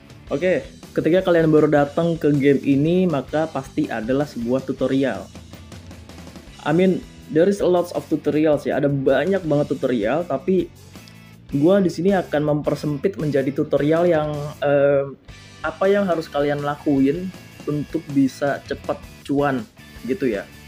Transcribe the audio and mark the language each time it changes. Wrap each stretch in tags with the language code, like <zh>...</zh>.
<id>Oke, ketika kalian baru datang ke game ini, maka pasti adalah sebuah tutorial.</id> <en>I mean, there is a lots of tutorials ya.</en> <id>Ada banyak banget tutorial, tapi gue di sini akan mempersempit menjadi tutorial yang apa yang harus kalian lakuin untuk bisa cepat cuan gitu ya.</id>